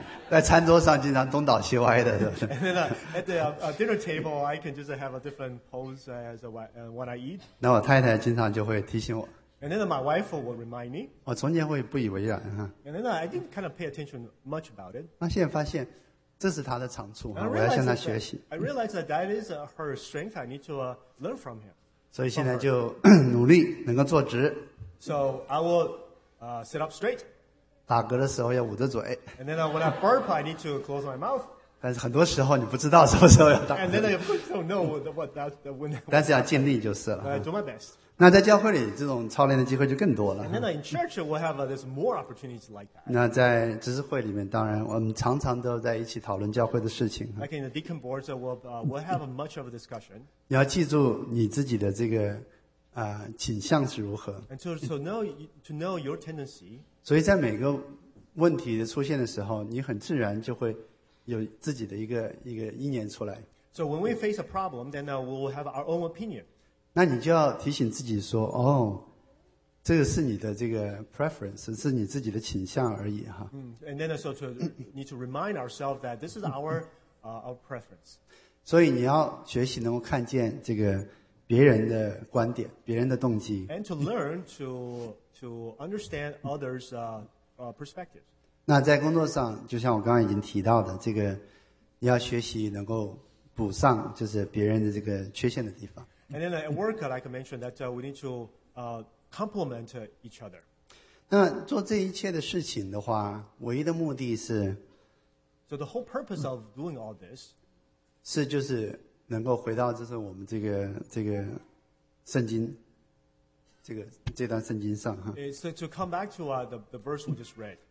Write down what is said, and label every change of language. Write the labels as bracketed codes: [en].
[zh] 在餐桌上经常东倒西歪的。 [en] And then at the dinner table, I can just have a different pose as what I eat. [zh] 那我太太经常就会提醒我。 [en] And then my wife will remind me. [zh] 我从前会不以为然哈。 [en] And then I didn't kind of pay attention much about it. [zh] 那现在发现，这是她的长处，我要向她学习。 [en] I realize that is her strength. I need to learn from him. [zh] 所以现在就努力能够坐直。 [en] So I will sit up straight. [zh] 打嗝的时候要捂着嘴。 [en] And then when I burp, I need to close my mouth. [zh] 但是很多时候你不知道什么时候要打。 [en] And then I don't know what that when. [zh] 但是要尽力就是了。 [en] I do my best. [zh] 那在教会里这种操练的机会就更多了。 [en] And then in church, we have this more opportunities like that. [zh] 那在执事会里面，当然我们常常都在一起讨论教会的事情。 [en] Like in the deacon boards, we'll have much of a discussion. [zh] 你要记住你自己的这个倾向是如何。 [en] And to know your tendency. [zh] 所以在每个问题的出现的时候，你很自然就会有自己的一个意念出来。 [en] So when we face a problem, then we'll have our own opinion. [zh] 那你就要提醒自己说，哦，这个是你的这个 preference， 是你自己的倾向而已哈。 [en] And then also to need to remind ourselves that this is our preference. [zh] 所以你要学习能够看见这个别人的观点，别人的动机。 [en] And to learn to understand others' perspectives. [zh] 那在工作上，就像我刚刚已经提到的，这个你要学习能够补上就是别人的这个缺陷的地方。 [en] And then at work, like I mentioned, that we need to complement each other. [zh] 那做这一切的事情的话，唯一的目的是 [en] ，So the whole purpose of doing all this [zh] 是就是能够回到就是我们这个圣经这段圣经上哈。 [en] It's to come back to the verse we just read.